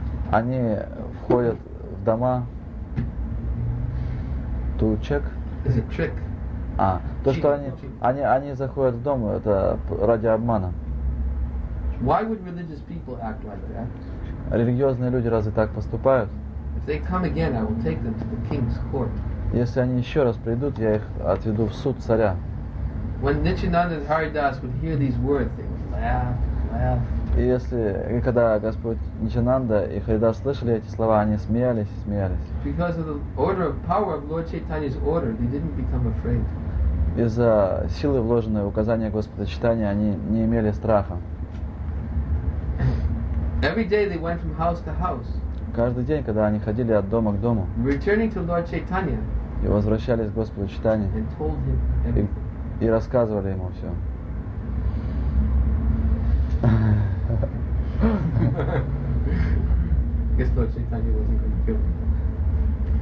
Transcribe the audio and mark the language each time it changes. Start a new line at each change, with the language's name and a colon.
Russian: Они входят в дома.
English: To check? Is a trick.
Russian: А, то, что они заходят в дом, это ради обмана.
English: Why would religious people act like that?
Russian: Религиозные люди разве так поступают?
English: If they come again, I will take them to the king's court.
Russian: Если они еще раз придут, я их отведу в суд царя.
English: When Nityananda and Haridas would hear these words, they would laugh.
Russian: И когда Господь Нитянанда и Харидас слышали эти слова, они смеялись.
English: Because of the order of power of Lord Chaitanya's order, they didn't become afraid.
Russian: Из-за силы, вложенной в указание Господа Чайтаньи, они не имели страха.
English: Every day they went from house to house.
Russian: Каждый день, когда они ходили от дома к дому.
English: Returning to Lord Chaitanya.
Russian: И возвращались к Господу Чайтанье.
English: And told him everything.
Russian: И рассказывали ему все.
English: Господь Чайтанья wasn't going to kill him.